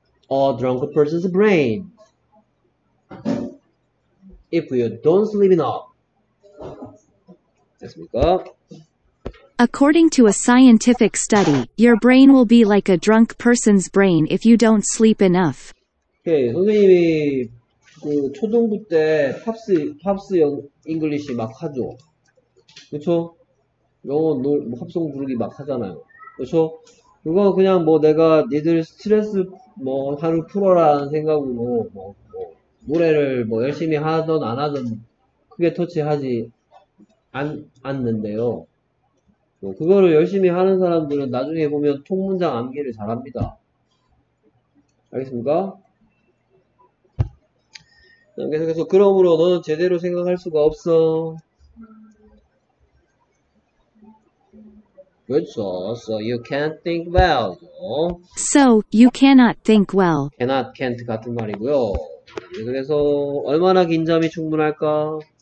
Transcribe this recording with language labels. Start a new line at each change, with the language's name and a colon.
English: a drunk person's brain. If you don't sleep enough.
Korean: 됐습니까?
English: According to a scientific study, your brain will be like a drunk person's brain if you don't sleep enough.
Korean: Okay, 선생님이 그 초등부 때 팝스 잉글리시 막 하죠. 그렇죠? 영어 합성 부르기 막 하잖아요. 그렇죠? 그거 그냥 뭐 내가 니들 스트레스 뭐 하루 풀어라는 생각으로 뭐 노래를 뭐 열심히 하든 안 하든 크게 터치하지 않는데요. 뭐 그거를 열심히 하는 사람들은 나중에 보면 통문장 암기를 잘합니다. 알겠습니까? 계속해서 그러므로 너는 제대로 생각할 수가 없어. 그렇죠.
English: So you can't think well. So you cannot think well.
Korean: Cannot, can't 같은 말이고요. 그래서 얼마나 긴장이 충분할까?